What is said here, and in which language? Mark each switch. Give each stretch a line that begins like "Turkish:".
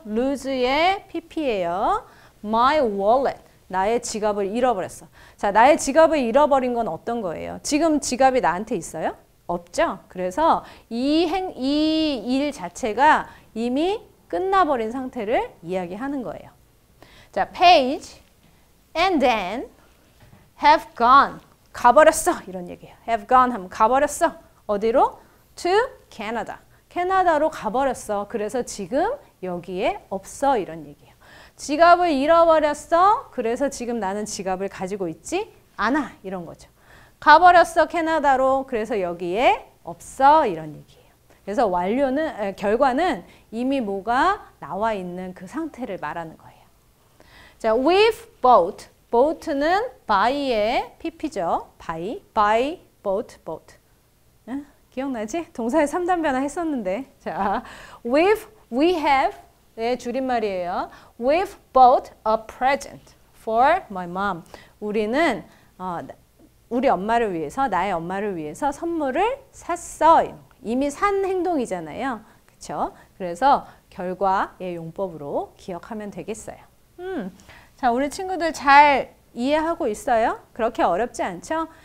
Korean: lose의 PP예요.
English: My wallet.
Korean: 나의 지갑을 잃어버렸어. 자, 나의 지갑을 잃어버린 건 어떤 거예요? 지금 지갑이 나한테 있어요? 없죠? 그래서 이 일 자체가 이미 끝나버린 상태를 이야기하는 거예요.
English: 자, page and then have gone.
Korean: 가버렸어. 이런 얘기예요.
English: have gone
Korean: 하면 가버렸어. 어디로?
English: to Canada.
Korean: 캐나다로 가버렸어. 그래서 지금 여기에 없어. 이런 얘기예요. 지갑을 잃어버렸어. 그래서 지금 나는 지갑을 가지고 있지 않아. 이런 거죠. 가버렸어 캐나다로. 그래서 여기에 없어. 이런 얘기예요. 그래서 완료는 결과는 이미 뭐가 나와 있는 그 상태를 말하는 거예요. 자,
English: we've bought.
Korean: boat는 buy의 PP죠.
English: buy, boat, boat.
Korean: 기억나지? 동사의 3단 변화 했었는데. 자,
English: we have
Korean: 네, 줄임말이에요.
English: We've bought a present for my mom.
Korean: 우리는 우리 엄마를 위해서, 나의 엄마를 위해서 선물을 샀어. 이미 산 행동이잖아요. 그렇죠? 그래서 결과의 용법으로 기억하면 되겠어요. 자, 우리 친구들 잘 이해하고 있어요? 그렇게 어렵지 않죠?